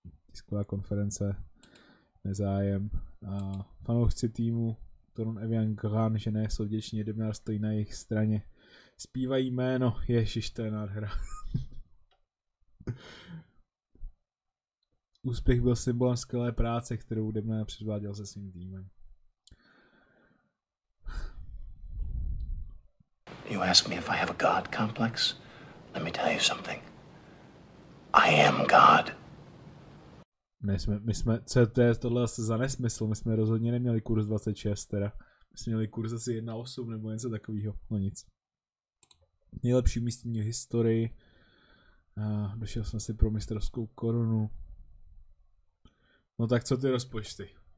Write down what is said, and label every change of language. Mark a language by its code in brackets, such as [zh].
[cs] Tisková konference, nezájem. Fanoušci týmu Toron Evian Gran, že ne, jsou vděční, Debnar stojí na jejich straně. Zpívají jméno, ježiš, to je nádhera. Úspěch byl symbolem skvělé práce, kterou Debna předváděl se svým týmem. [en] You ask me if I have a god complex? Let me tell you something. I am god. [cs] My jsme, co to je tohle asi za nesmysl, my jsme rozhodně neměli kurz 26 teda. My jsme měli kurz asi 1.8 nebo něco takového, no nic. Nejlepší umístění v historii. Došel jsem si pro mistrovskou korunu. No tak co ty rozpočty?